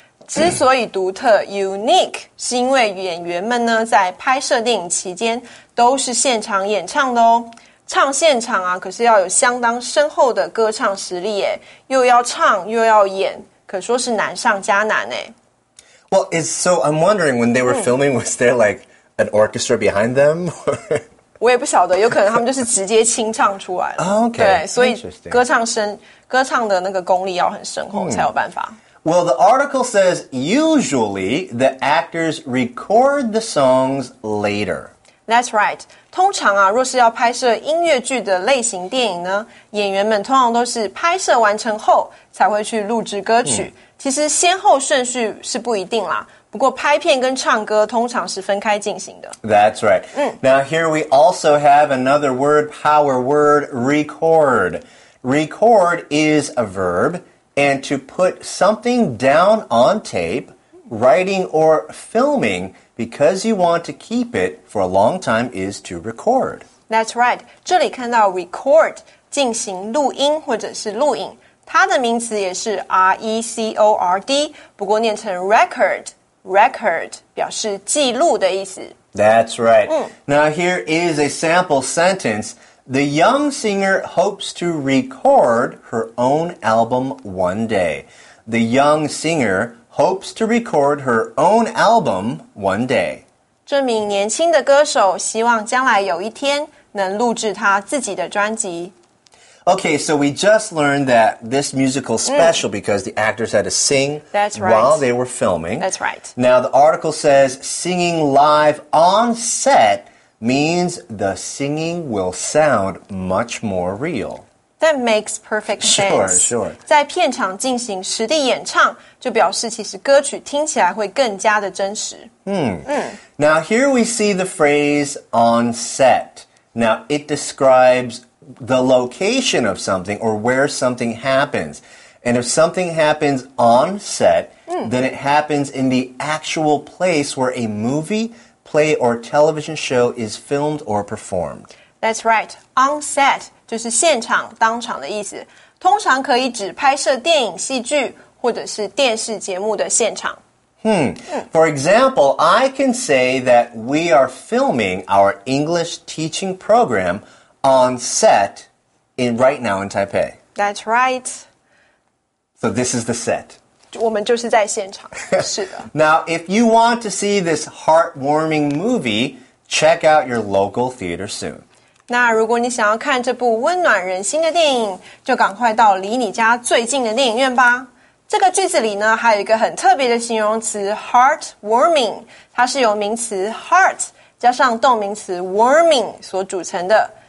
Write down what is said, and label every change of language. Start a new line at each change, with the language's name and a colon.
Chinese: 之所以独特 unique 是因为演员们呢在拍摄电影期间都是现场演唱的哦。唱现场啊可是要有相当深厚的歌唱实力耶，又要唱又要演，可说是难上加难耶。
English: Well, so I'm wondering when they were filming, was there like an orchestra behind them?
Chinese: 我也不晓得，有可能他们就是直接清唱出来了。
English: Okay,
Chinese: 对，所以歌唱的那个功力要很深厚才有办法。
English: Well, the article says usually the actors record the songs later. That's right.
Chinese: 通常啊，若是要拍摄音乐剧的类型电影呢，演员们通常都是拍摄完成后才会去录制歌曲。其实先后顺序是不一定啦，不过拍片跟唱歌通常是分开进行的。
English: That's right. Now here we also have another word, power word, record. Record is a verb. And to put something down on tape, writing or filming, because you want to keep it for a long time, is to record. That's right.
Chinese: 这里看到 record, 进行录音或者是录影。它的名词也是 R-E-C-O-R-D, 不过念成 record, 表示记录的意思。
English: That's right. Now, here is a sample sentence. The young singer hopes to record her own album one day. The young singer hopes to record her own album one day.
Chinese: 这名年轻的歌手希望将来有一天能录制他自己的专辑。
English: Okay, so we just learned that this musical special because the actors had to sing while they were filming. That's right. Now, the article says singing live on set means the singing will sound much more real. That makes perfect sense. Sure, sure.
Chinese: 在片场进行实地演唱就表示其实歌曲听起来会更加的真实。
English: Now, here we see the phrase on set. Now, it describesthe location of something or where something happens. And if something happens on set, then it happens in the actual place where a movie, play, or television show is filmed or performed. That's right.
Chinese: On set 就是现场、当场的意思。通常可以指拍摄电影、戏剧或者是电视节目的现场。
English: For example, I can say that we are filming our English teaching programon set in right now in Taipei. That's right. So this is the set.
Chinese: 我们就是在现场。是的。
English: Now, if you want to see this heartwarming movie, check out your local theater soon.
Chinese: 那如果你想要看这部温暖人心的电影，就赶快到离你家最近的电影院吧。这个句子里呢，还有一个很特别的形容词 heartwarming， 它是由名词 heart 加上动名词 warming 所组成的。